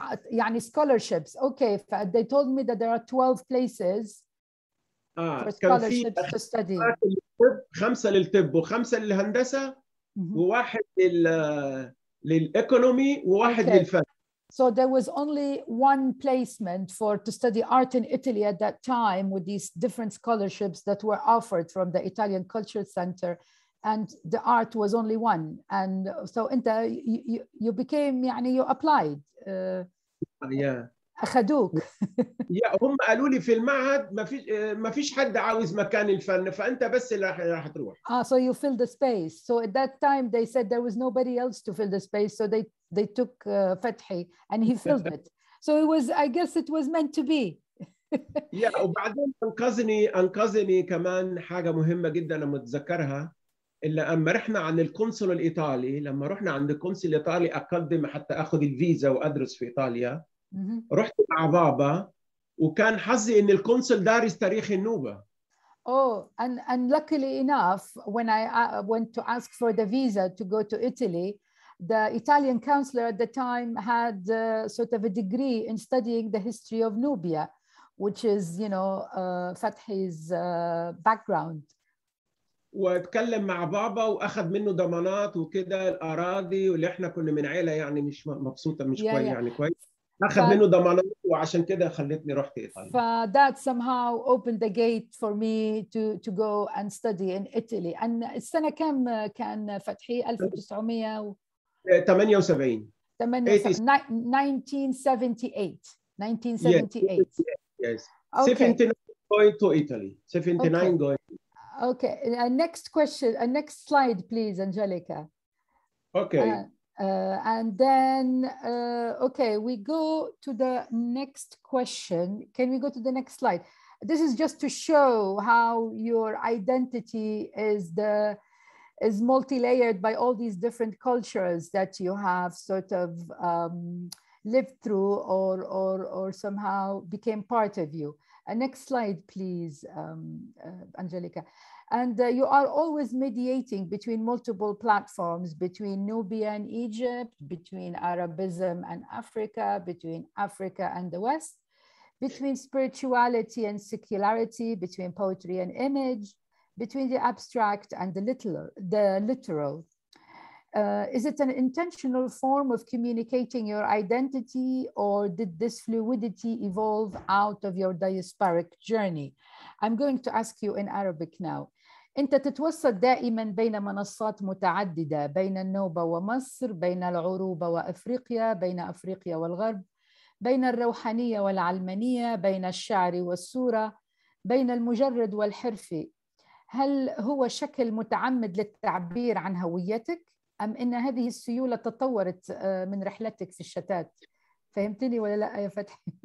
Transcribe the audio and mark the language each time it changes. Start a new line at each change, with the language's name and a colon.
English: يعني scholarships. Okay, they told me that there are 12 places for scholarships to study.
Arabic: خمسة للطب وخمسة للهندسة وواحد لل للإيكونومي وواحد للفن.
English: So there was only one placement for to study art in Italy at that time with these different scholarships that were offered from the Italian Cultural Center, and the art was only one. And so أنت you became يعني you applied.
Arabic: أخدوك. هم قالوا لي في المعهد ما فيش حد عاوز مكان الفن فأنت بس اللي راح تروح.
English: So you fill the space. So at that time they said there was nobody else to fill the space. So they took Fathi and he filled it. So it was I guess it was meant to be.
Arabic: وبعدين أنقذني كمان حاجة مهمة جدا أنا متذكرها إلا أما رحنا عند القنصل الإيطالي لما رحنا عند القنصل الإيطالي أقدم حتى أخذ الفيزا وأدرس في إيطاليا. رحت مع بابا وكان حظي ان الكونسل دارس تاريخ النوبه.
English: And luckily enough when I went to ask for the visa to go to Italy the Italian counselor at the time had sort of a degree in studying the history of Nubia which is you know Fathi's background.
Arabic: واتكلم مع بابا واخذ منه ضمانات وكده الاراضي واللي احنا كنا من عيله يعني مش مبسوطه مش yeah, كويس yeah. يعني كويس أخذ منه ضمانات وعشان كده خلتني رحت إيطاليا.
English: فthat somehow opened the gate for me to go and study in Italy. And
Arabic: السنة كم كان فتحي 1978.
English: Okay. Next question. Next slide, please, Angelica. Okay. And then, okay, we go to the next question. Can we go to the next slide? This is just to show how your identity is multi-layered by all these different cultures that you have sort of lived through or somehow became part of you. Next slide, please, Angelica. And you are always mediating between multiple platforms, between Nubia and Egypt, between Arabism and Africa, between Africa and the West, between spirituality and secularity, between poetry and image, between the abstract and the literal. Is it an intentional form of communicating your identity or did this fluidity evolve out of your diasporic journey? I'm going to ask you in Arabic now.
Arabic: أنت تتوسط دائما بين منصات متعددة بين النوبة ومصر بين العروبة وأفريقيا بين أفريقيا والغرب بين الروحانية والعلمانية بين الشعر والصورة بين المجرد والحرفي هل هو شكل متعمد للتعبير عن هويتك أم إن هذه السيولة تطورت من رحلتك في الشتات فهمتني ولا لا يا فتحي؟